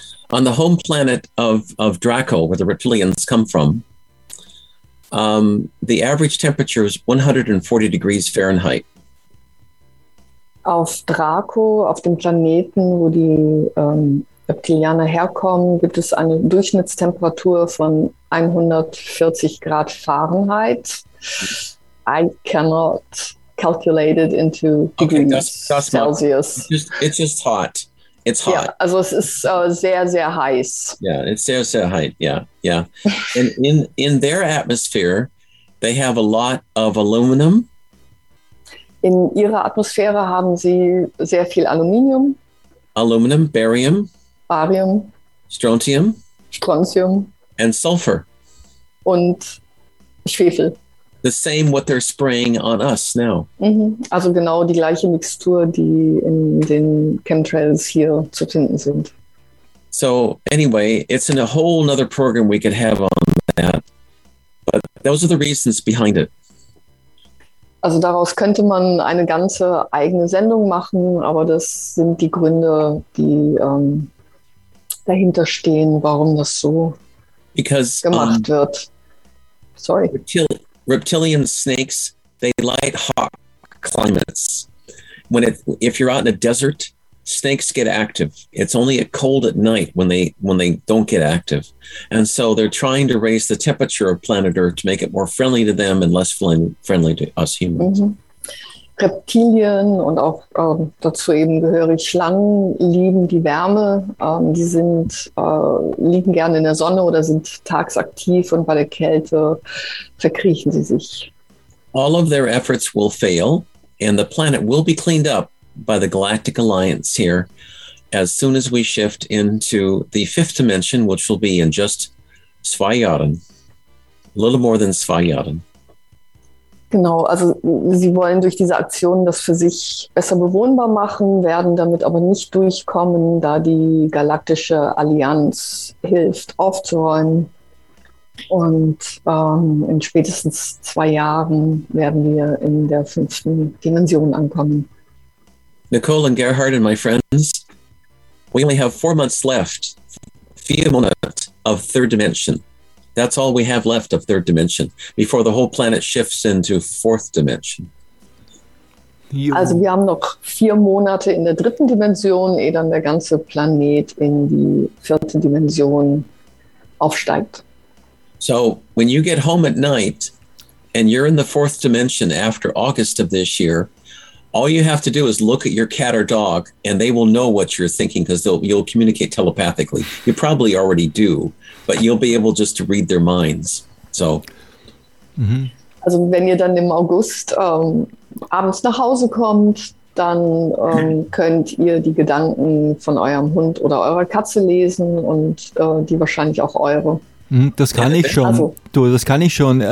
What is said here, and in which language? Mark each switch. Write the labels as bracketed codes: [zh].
[en] On the home planet of Draco, where the reptilians come from, the average temperature is 140 degrees Fahrenheit. [de] Auf Draco, auf dem Planeten, wo die Reptilianer herkommen, gibt es eine Durchschnittstemperatur von 140 Grad Fahrenheit. [en] I cannot calculate it into degrees Celsius. It's just hot. It's hot. [de] Yeah, also es ist sehr, sehr heiß. [en] Yeah, it's [de] sehr, sehr heiß. [en] Yeah, yeah. And in their atmosphere, they have a lot of aluminum. [de] In ihrer Atmosphäre haben sie sehr viel Aluminium. Aluminium, barium. Barium. [en] Strontium. [de] Strontium. [en] And sulfur. [de] Und Schwefel. [en] The same what they're spraying on us now. Mm-hmm. [de] Also genau die gleiche Mixtur, die in den Chemtrails hier zu finden sind. [en] So anyway, it's in a whole nother program we could have on that. But those are the reasons behind it. [de] Also daraus könnte man eine ganze eigene Sendung machen, aber das sind die Gründe, die dahinter stehen, warum das so gemacht wird. [en] Sorry. Reptilian snakes, they like hot climates. If you're out in a desert, snakes get active. It's only at cold at night when they don't get active. And so they're trying to raise the temperature of planet Earth to make it more friendly to them and less friendly to us humans. Mm-hmm. [de] Reptilien und auch dazu eben gehöre ich, Schlangen lieben die Wärme. Die sind liegen gerne in der Sonne oder sind tags aktiv und bei der Kälte verkriechen sie sich. [en] All of their efforts will fail and the planet will be cleaned up by the Galactic Alliance here as soon as we shift into the fifth dimension, which will be in just [de] 2 Jahren, [en] a little more than 2 Jahren. [de] Genau, also sie wollen durch diese Aktion das für sich besser bewohnbar machen, werden damit aber nicht durchkommen, da die Galaktische Allianz hilft, aufzuräumen. Und in spätestens 2 Jahren werden wir in der fünften Dimension ankommen. [en] Nicole and Gerhard and my friends, we only have 4 months left, [de] 4 Monate [en] of third dimension. That's all we have left of third dimension before the whole planet shifts into fourth dimension. [de] Also wir haben noch 4 Monate in der dritten Dimension, ehe dann der ganze Planet in die vierte Dimension aufsteigt. [en] So when you get home at night and you're in the fourth dimension after August of this year, all you have to do is look at your cat or dog and they will know what you're thinking because you'll communicate telepathically. You probably already do. But you'll be able just to read their minds. So. Mm-hmm. [de] Also wenn ihr dann im August abends nach Hause kommt, dann könnt ihr die Gedanken von eurem Hund oder eurer Katze lesen und die wahrscheinlich auch eure. Das kann ich schon. Also. Du, das kann ich schon.